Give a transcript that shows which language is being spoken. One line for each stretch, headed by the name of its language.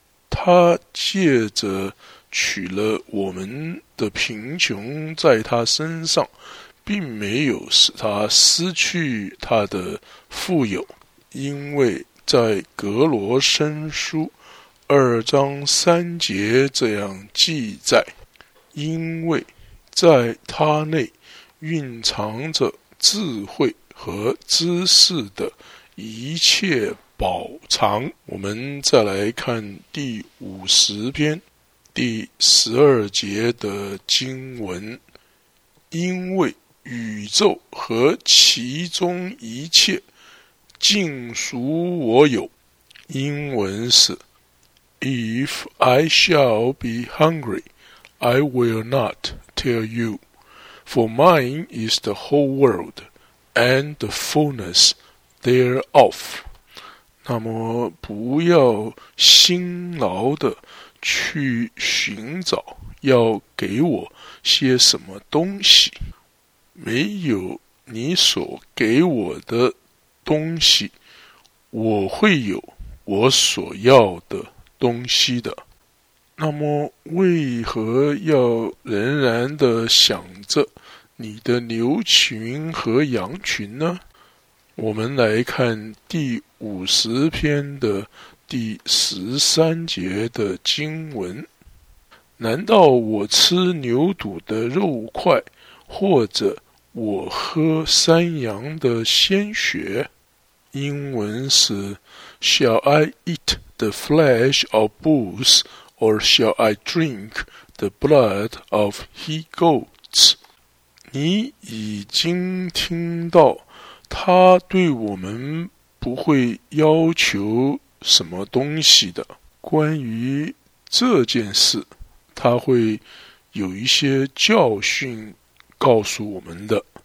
Chinese: 他借着取了我们的贫穷在他身上，并没有使他失去他的富有，因为在格罗森书2:3这样记载，因为在他内蕴藏着智慧和知识的一切宝藏。我们再来看第50篇第12节的经文，因为宇宙和其中一切尽属我有。英文是
English: If I shall be hungry, I will not tell you, for mine is the whole world, and the fullness thereof.
Chinese: 那么不要辛劳地去寻找要给我些什么东西，没有你所给我的东西，我会有我所要的东西的。那么为何要仍然地想着你的牛群和羊群呢？我们来看第50篇的第13节的经文，难道我吃牛犊的肉块，或者我喝山羊的鲜血？英文是
English: Shall I eat the flesh of bulls, or shall I drink the blood of he goats?
Chinese: 你已经听到他对我们不会要求什么东西的。关于这件事，他会有一些教训告诉我们的。